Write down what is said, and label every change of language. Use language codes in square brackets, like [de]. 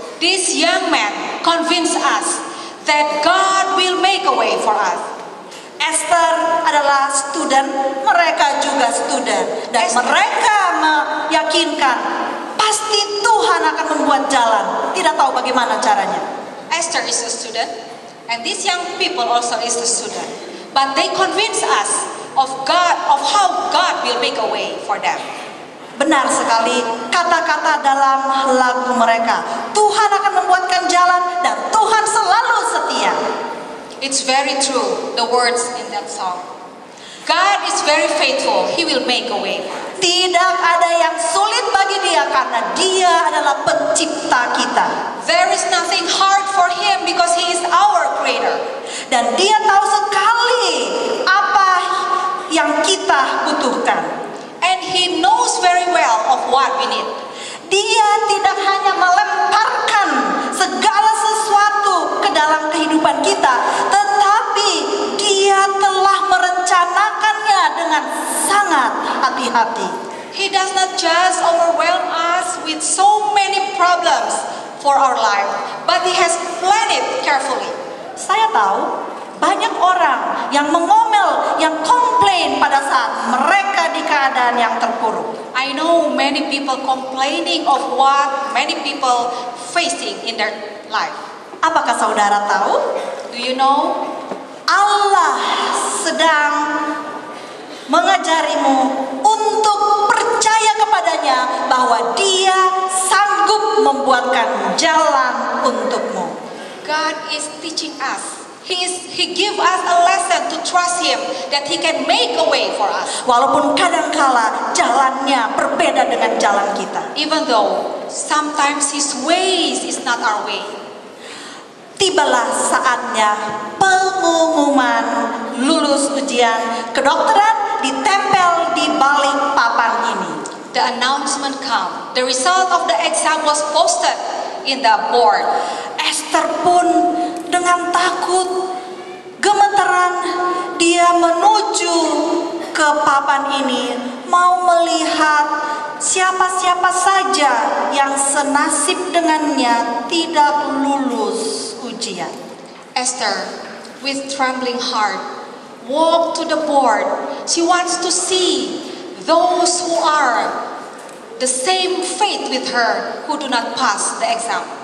[en] This young man convinced us that God will make a way for us. [id] Esther adalah student, mereka juga student, dan Esther, mereka meyakinkan pasti Tuhan akan membuat jalan. Tidak tahu bagaimana caranya. [en] Esther is a student, and these young people also is a student, but they convince us of God, of how God will make a way for them. [id] Benar sekali kata-kata dalam lagu mereka. Tuhan akan membuatkan jalan dan Tuhan selalu setia. [en] It's very true, the words in that song. God is very faithful, He will make a way. [id] Tidak ada yang sulit bagi Dia karena Dia adalah pencipta kita. [en] There is nothing hard for Him because He is our creator. [id] Dan Dia tahu sekali apa yang kita butuhkan. [en] And He knows very well of what we need. [id] Dia tidak hanya melemparkan segala sesuatu ke dalam kehidupan kita, tetapi Dia telah merencanakannya dengan sangat hati-hati. [en] He does not just overwhelm us with so many problems for our life, but He has planned it carefully. [id] Saya tahu banyak orang yang mengomel, yang komplain pada saat mereka di keadaan yang terpuruk. [en] I know many people complaining of what many people facing in their life. [id] Apakah saudara tahu? [en] Do you know? [id] Allah sedang mengajarimu untuk percaya kepadanya bahwa Dia sanggup membuatkan jalan untukmu. [en] God is teaching us. He give us a lesson to trust Him that He can make a way for us. [id] Walaupun kadangkala jalannya berbeda dengan jalan kita. [en] Even though sometimes His ways is not our way. [id] Tibalah saatnya pengumuman lulus ujian kedokteran ditempel di balik papan ini. [en] The announcement come. The result of the exam was posted in the board. [id] Esther pun dengan takut, gemeteran, dia menuju ke papan ini, mau melihat siapa-siapa saja yang senasib dengannya tidak lulus ujian. [en] Esther, with trembling heart, walk to the board. She wants to see those who are the same faith with her who do not pass the exam.